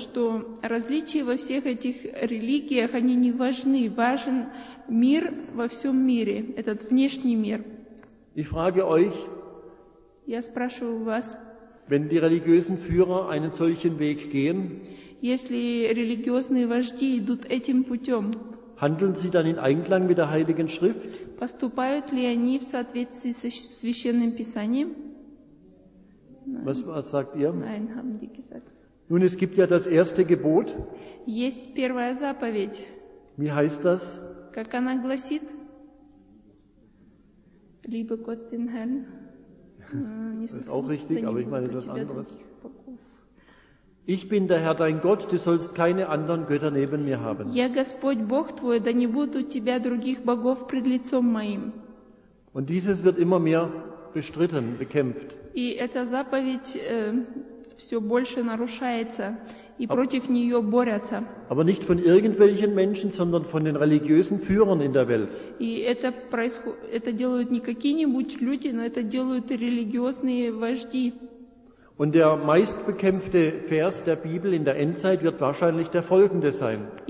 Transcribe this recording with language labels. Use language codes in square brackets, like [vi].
[ru] Что различия во всех этих религиях, они не важны. Важен мир во всем мире, этот внешний мир. [de] Ich frage euch, [ru] я спрашиваю вас, [de] wenn die religiösen Führer einen solchen Weg gehen, [ru] если религиозные вожди идут этим путем, [de] handeln sie dann in Einklang mit der Heiligen Schrift? [ru] Поступают ли они в соответствии со Священным Писанием? [de] Was sagt ihr? Nein, haben die gesagt. Nun, es gibt ja das erste Gebot. [ru] Есть первая заповедь. [de] Wie heißt das? [ru] Как она гласит? [de] Liebe Gott den Herrn. Das ist auch richtig, aber ich meine etwas anderes. Ich bin der Herr, dein Gott, du sollst keine anderen Götter neben mir haben. [ru] Я Господь, Бог твой, да не будет у тебя других богов пред лицом моим. [de] Und dieses wird immer mehr bestritten, bekämpft. [ru] И эта заповедь все больше нарушается, и против нее борются. [de] Aber nicht von irgendwelchen Menschen, sondern von den religiösen Führern in der Welt. [ru] И это делают не какие-нибудь люди, но это делают религиозные вожди. [de] Und der meistbekämpfte Vers der Bibel in der Endzeit wird wahrscheinlich der folgende sein.